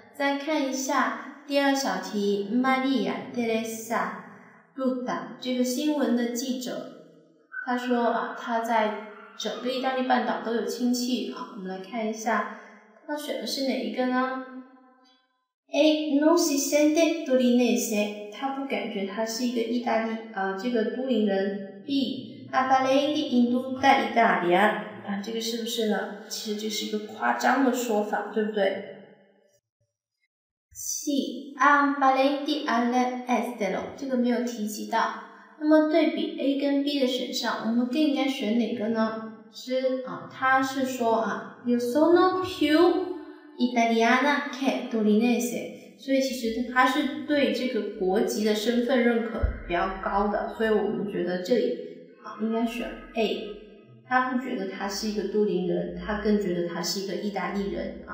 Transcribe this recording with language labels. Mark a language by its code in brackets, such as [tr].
[zh] 再看一下第二小题 ，Maria Teresa Ruta 这个新闻的记者，他说啊，他在整个意大利半岛都有亲戚啊。我们来看一下，他选的是哪一个呢 ？ [it] A non si sente torinese， [zh] 他不感觉他是一个意大利这个都灵人。 [it] B appartiene in tutta Italia 啊， [zh] 这个是不是呢？其实这是一个夸张的说法，对不对？ [it] Sì, appartiene all'estero， [zh] 这个没有提及到。那么对比 A 跟 B 的选项，我们更应该选哪个呢？是啊，他是说啊 ， [it] Io sono più italiana che torinese， [zh] 所以其实他是对这个国籍的身份认可比较高的，所以我们觉得这里啊应该选 A， 他不觉得他是一个都灵人，他更觉得他是一个意大利人。